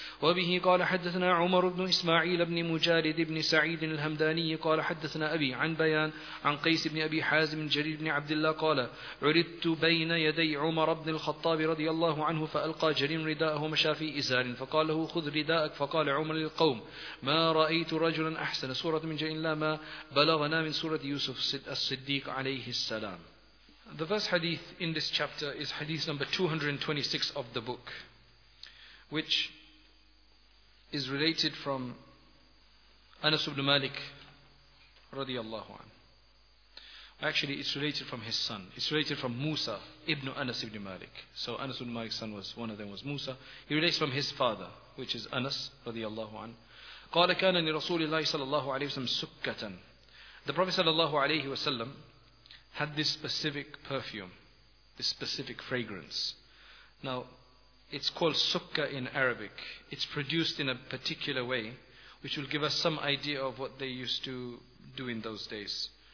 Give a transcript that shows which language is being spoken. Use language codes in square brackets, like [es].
[ar] وبه قال حدثنا عمر بن إسماعيل بن مجالد بن سعيد الهمداني قال حدثنا أبي عن بيان عن قيس بن أبي حازم جرير بن عبد الله قال عرضت بين يدي عمر بن الخطاب رضي الله عنه فألقى جرير رداءه ومشى في إزار فقال له خذ رداءك. فقال عمر للقوم ما رأيت رجلا أحسن سورة من جئ إلا ما بلغنا من سورة يوسف الصديق عليه السلام. [en] The first hadith in this chapter is hadith number 226 of the book, which is related from Anas ibn Malik radiallahu anhu. Actually, it's related from his son. It's related from Musa ibn Anas ibn Malik. So Anas ibn Malik's son was one of them was Musa. He relates from his father, which is Anas radiallahu anhu. [ar] قال كان لرسول الله صلى الله عليه وسلم سكة. [en] The Prophet [ar] صلى الله عليه وسلم [en] had this specific perfume, this specific fragrance. Now, it's called سكة in Arabic. It's produced in a particular way, which will give us some idea of what they used to do in those days.